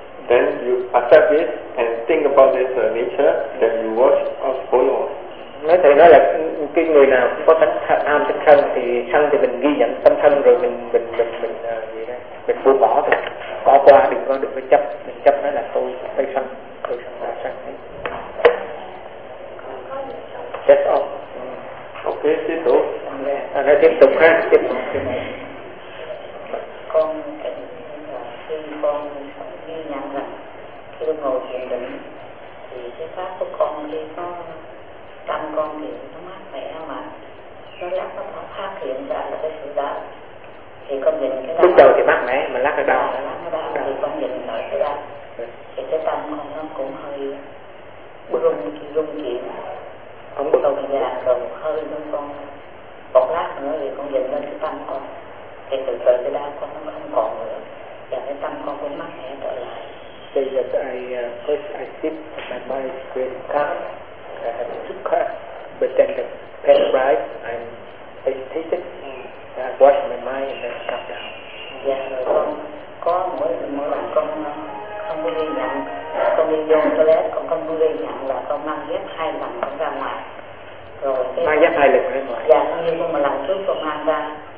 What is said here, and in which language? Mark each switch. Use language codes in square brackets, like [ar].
[en] Then you accept it and think about this nature that you watch or follow. [vi] Nói thầy nói là cái người nào có tánh tham tánh sân thì sân thì mình ghi nhận tâm sân rồi mình gì đó, mình buông bỏ rồi có qua đừng có được cái chấp, mình chấp nó là tôi sân, tôi sân là sân. [en] That's all. [vi] Ok, tiếp tục. Nghe tiếp tục ha, tiếp tục. Con thầy là khi con ghi nhận là khi con ngồi thiền định thì cái pháp của con khi có tâm con thì nó mát mẻ mà nó lắc nó phát hiện ra là cái sự đau thì con nhìn cái đau lúc đầu thì mát mẻ mà lắc cái đau thì con nhìn lại cái đau thì cái tâm con nó cũng hơi rung rung chuyển không bắt đầu thì già rồi hơi nó con một lát nữa thì con nhìn lên cái tâm con thì từ từ cái đau con nó không còn nữa và cái tâm con cũng mát mẻ trở lại. Bây giờ tôi [en] first I sit and my mind is very calm. I have a sukha, but then the pen rise, I'm agitated, I wash my mind and then calm down. [vi] Yeah, rồi con có mỗi lần con không có ghi nhận, con đi vô toilet, con không có ghi nhận là con mang dép hai lần con ra ngoài. Rồi mang dép hai lần ra ngoài? Dạ, con đi vô một lần trước con mang ra.